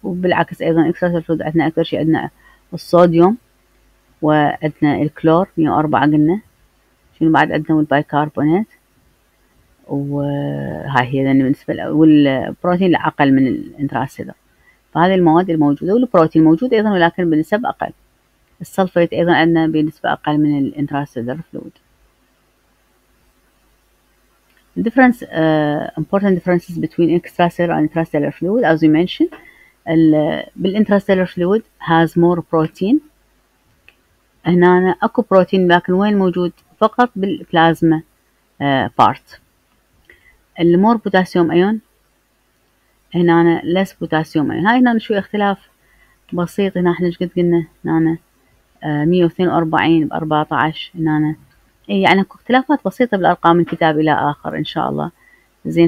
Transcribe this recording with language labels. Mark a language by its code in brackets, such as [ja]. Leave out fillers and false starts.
[ar] وبالعكس ايضا الاكستراسيلر فلويد عندنا اكثر شيء، عندنا الصوديوم وعندنا الكلور 104 قلنا، شنو بعد عندنا؟ والبيكربونات، وهاي هي بالنسبه والبروتين الاقل من الانتراسيلر. فهذه المواد الموجوده، والبروتين موجود ايضا ولكن بنسب اقل. السلفيت أيضا عندنا بنسبة أقل من الانتراسيلر فلويد. [en] Important differences between extracellular and intracellular fluid as we mentioned. [ar] بالانتراسيلر فلويد [en] has more protein. [ar] هنا أنا أكو بروتين لكن وين موجود؟ فقط بالبلازما part. [en] More potassium ion. [ar] هنا أنا [en] less potassium ion. [ar] هاي هنا شوي اختلاف بسيط. هنا احنا شقد قلنا؟ هنا أنا 142/14 هنا يعني اكو اختلافات بسيطة بالأرقام من كتاب إلى آخر إن شاء الله زين.